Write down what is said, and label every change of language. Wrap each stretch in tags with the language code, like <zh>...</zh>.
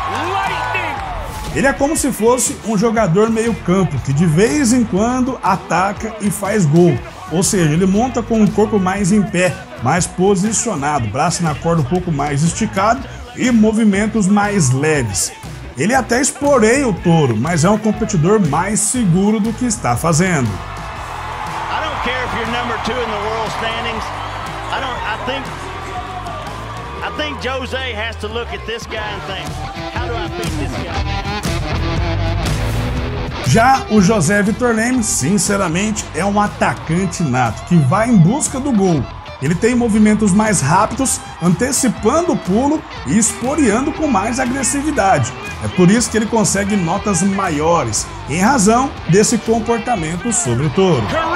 <pt>Lightning. Ele é como se fosse um jogador meio campo, que de vez em quando ataca e faz gol. Ou seja, ele monta com o corpo mais em pé, mais posicionado, braço na corda um pouco mais esticado e movimentos mais leves. Ele até exploreia o touro, mas é um competidor mais seguro do que está fazendo.</pt> <en>I don't care if you're number two in the world standings. I think Jose has to look at this guy and think, how do I beat this guy?</en> <pt>Já o José Vitor Leme, sinceramente, é um atacante nato que vai em busca do gol. Ele tem movimentos mais rápidos, antecipando o pulo e esporeando com mais agressividade. É por isso que ele consegue notas maiores, em razão desse comportamento sobre o touro.</pt>